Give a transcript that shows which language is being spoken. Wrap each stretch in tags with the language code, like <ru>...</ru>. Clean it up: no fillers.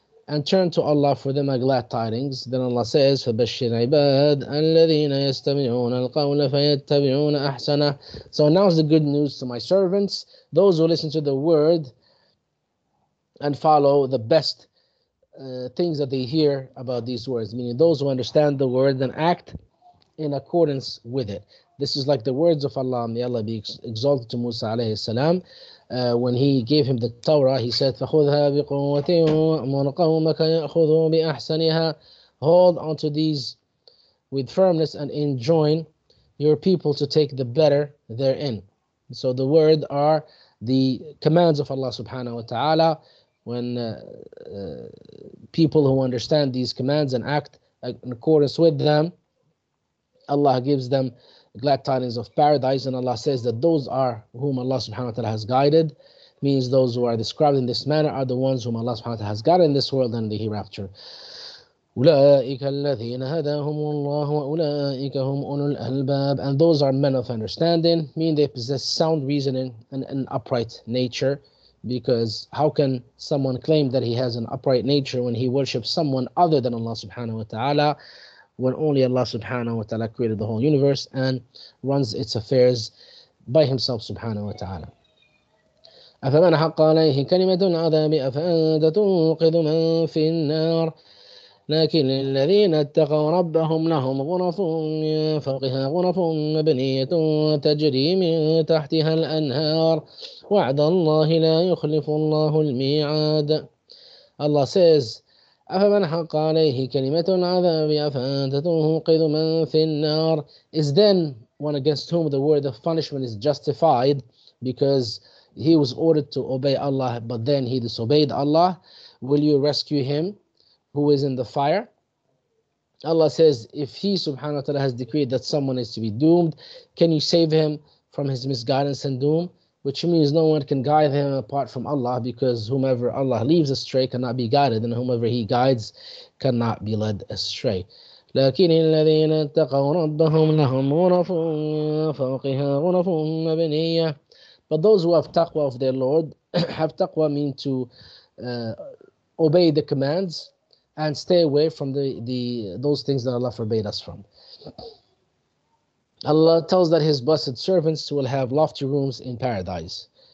<en>And turn to Allah for them a glad tidings. Then Allah says,</en> <ar>فَبَشِّرْ عِبَادِ أَلَّذِينَ يَسْتَمِعُونَ الْقَوْلَ فَيَتَّبِعُونَ أَحْسَنَ.</ar> <en>So announce the good news to my servants, those who listen to the word and follow the best things that they hear about these words, meaning those who understand the word and act in accordance with it. This is like the words of Allah, may Allah be exalted, to Musa alayhi salam, when he gave him the Torah. He said,</en> <ar>فَخُذْهَا بِقُوَّةٍ وَأْمُرْ قَوْمَكَ يَأْخُذُوا بِأَحْسَنِهَا.</ar> <en>Hold onto these with firmness and enjoin your people to take the better therein. So the word are the commands of Allah subhanahu wa ta'ala. When people who understand these commands and act in accordance with them, Allah gives them glad tidings of paradise, and Allah says that those are whom Allah subhanahu wa ta'ala has guided, means those who are described in this manner are the ones whom Allah subhanahu wa ta'ala has guided in this world and the hereafter.</en> <ar>أولئك الذين هداهم الله وأولئك هم أولو الألباب.</ar> <en>And those are men of understanding, meaning they possess sound reasoning and an upright nature. Because how can someone claim that he has an upright nature when he worships someone other than Allah subhanahu wa ta'ala, when only Allah subhanahu wa ta'ala created the whole universe and runs its affairs by himself subhanahu wa ta'ala.</en> <ar>أَفَمَنْ حَقَّ عَلَيْهِ كَلِمَةُ الْعَذَابِ أَفَأَنْتَ تُنْقِذُ مَنْ فِي النَّارِ لكن الذين اتقوا ربهم لهم غرف من فوقها غرف مبنية تجري من تحتها الأنهار وعد الله لا يخلف الله الميعاد. الله</ar> <en>says</en> <ar>أفمن حق عليه كلمة العذاب أفأنت تنقذ من في النار.</ar> <en>Is then one against whom the word of punishment is justified because he was ordered to obey Allah but then he disobeyed Allah, will you rescue him who is in the fire? Allah says, if he subhanahu wa ta'ala has decreed that someone is to be doomed, can you save him from his misguidance and doom? Which means no one can guide him apart from Allah, because whomever Allah leaves astray cannot be guided, and whomever he guides cannot be led astray.</en> <ar>لكن الذين اتقوا ربهم لهم غرف فوقها غرف مبنية.</ar> <en>But those who have taqwa of their Lord, have taqwa mean to obey the commands and stay away from those things that Allah forbade us from. Allah tells that His blessed servants will have lofty rooms in paradise.</en>